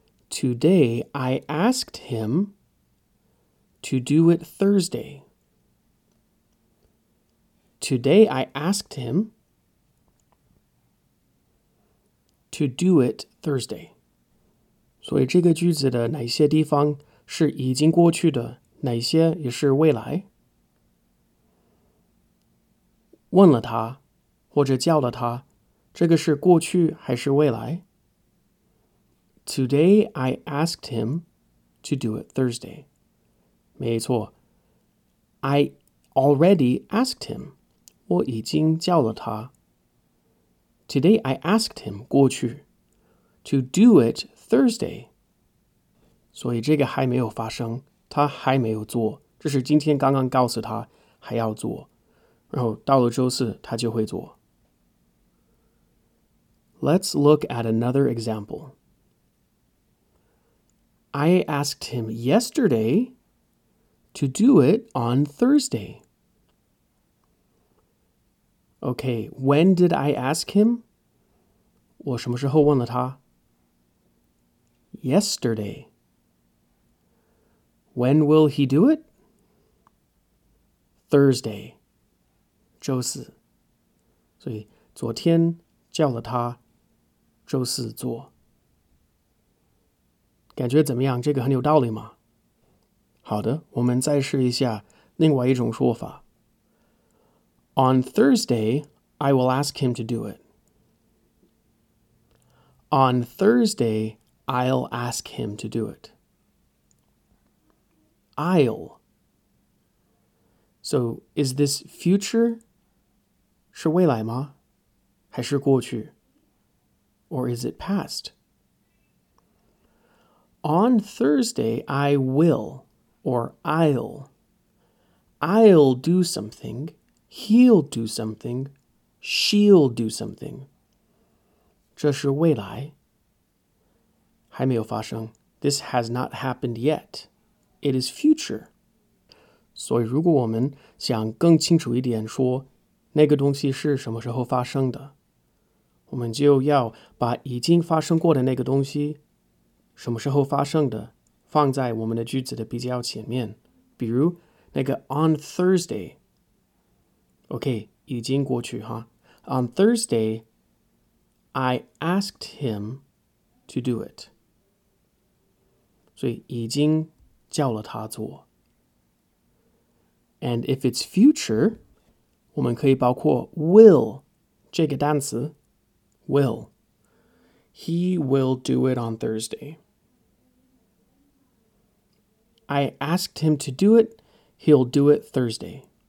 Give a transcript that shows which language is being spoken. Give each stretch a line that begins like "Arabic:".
English: Today, I asked him to do it Thursday. Today, I asked him to do it Thursday.
Chinese: 所以这个句子的哪些地方是已经过去的，哪些也是未来？问了他，或者叫了他，这个是过去还是未来？
English: Today I asked him to do it Thursday.
Chinese: 没错。
English: I already asked him.
Chinese: 我已经叫了他。
English: Today I asked him,
Chinese: 过去,
English: to do it Thursday.
Chinese: 所以这个还没有发生，他还没有做，这是今天刚刚告诉他还要做，然后到了周四他就会做。
English: Let's look at another example. I asked him yesterday to do it on Thursday. Okay, when did I ask him?
Chinese: 我什么时候问了他?
English: Yesterday. When will he do it? Thursday.
Chinese: 周四。所以昨天叫了他周四做。感觉怎么样？这个很有道理吗？好的，我们再试一下另外一种说法。
English: On Thursday, I will ask him to do it. On Thursday, I'll ask him to do it. I'll. So, is this future?
Chinese: 是未来吗？还是过去？
English: Or is it past? On Thursday, I will, or I'll. I'll do something, he'll do something, she'll do something.
Chinese: 这是未来。还没有发生。
English: This has not happened yet. It is future.
Chinese: 所以如果我们想更清楚一点说那个东西是什么时候发生的，我们就要把已经发生过的那个东西，什么时候发生的，放在我们的句子的比较前面。比如那个
English: on Thursday。
Chinese: OK, 已经过去哈。
English: On Thursday, I asked him to do it.
Chinese: 所以已经叫了他做。
English: And if it's future,
Chinese: 我们可以包括 will 这个单词。
English: Will. He will do it on Thursday. I asked him to do it, he'll do it Thursday.